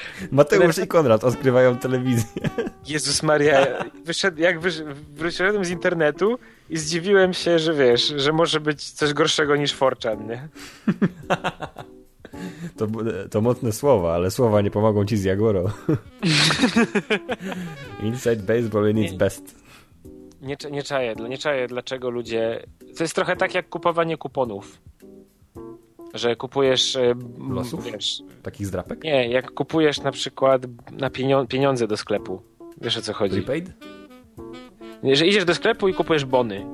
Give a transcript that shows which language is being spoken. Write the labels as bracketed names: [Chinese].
[Polish] Mateusz i Konrad odkrywają telewizję. Jezus Maria, wróciłem z internetu i zdziwiłem się, że wiesz, że może być coś gorszego niż 4chan, nie? To mocne słowa, ale słowa nie pomogą ci z Jagorą. [English] Inside baseball in its best. [Polish] Nie czaję, dlaczego ludzie... To jest trochę tak jak kupowanie kuponów. Że kupujesz... Losów? Wiesz, takich zdrapek? Nie, jak kupujesz na przykład na pieniądze do sklepu. Wiesz, o co chodzi? Prepaid? Nie, że idziesz do sklepu i kupujesz bony.